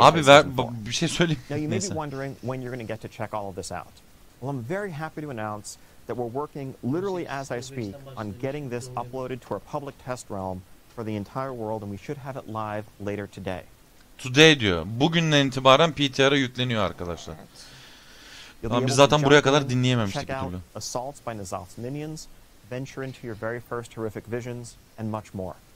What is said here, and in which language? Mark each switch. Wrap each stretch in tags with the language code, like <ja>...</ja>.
<tr>abi ver, bir şey söyleyeyim.</tr> <en>Now you may be wondering when you're going to get to check all of this out. Well, I'm very happy to announce that we're working literally as I speak on getting this uploaded to our public test realm for the entire world, and we should have it live later today.</en> <tr>Today diyor. Bugünden itibaren PTR'a yükleniyor arkadaşlar. Evet. Tamam, biz zaten buraya kadar dinleyememiştik bir türlü.</tr> <en>Assaults by Nazoth's minions, venture into your very first horrific visions, and much more.</en>